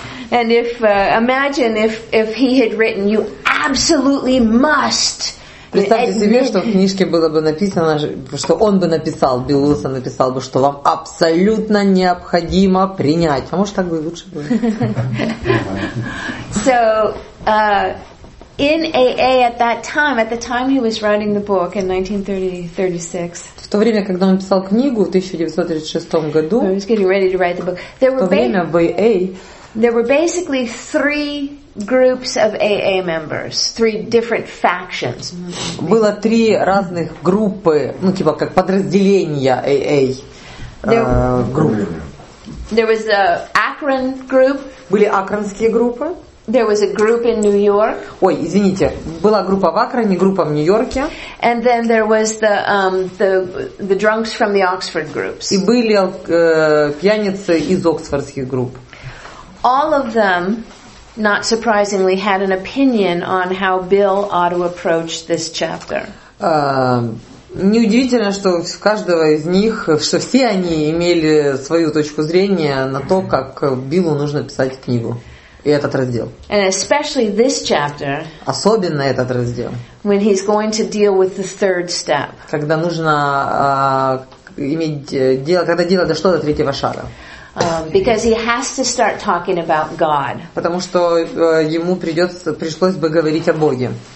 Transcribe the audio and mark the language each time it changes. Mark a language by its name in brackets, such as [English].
[English] And if imagine if he had written, "You absolutely must." [Russian] Представьте себе, что в книжке было бы написано, что он бы написал, Билл Уилсон написал бы, что вам абсолютно необходимо принять. А может, так бы и лучше было. [English] So, in AA at the time he was writing the book in 1936. [Russian] В то время, когда он писал книгу в 1936 году. [English] He was getting ready to write the book. There were [Russian] время в [English] AA. There were basically three groups of AA members, three different factions. [Russian] Было три разных группы, ну типа как подразделения AA группы. [English] There was the Akron group. [Russian] Были акронские группы. [English] There was a group in New York. [Russian] Ой, извините, была группа в Акроне, группа в Нью-Йорке. [English] And then there was the drunks from the Oxford groups. [Russian] И были пьяницы из Оксфордских групп. [English] All of them not surprisingly, had an opinion on how Bill ought to approach this chapter. [Russian] Неудивительно, что у каждого из них, что все они имели свою точку зрения на то, как Биллу нужно писать книгу и этот раздел. [English] And especially this chapter, [Russian] особенно этот раздел, [English] when he's going to deal with the third step. [Russian] Когда нужно иметь дело, когда дело дошло до третьего шага. [English] Because he has to start talking about God. [Russian] Потому что ему пришлось бы говорить о Боге.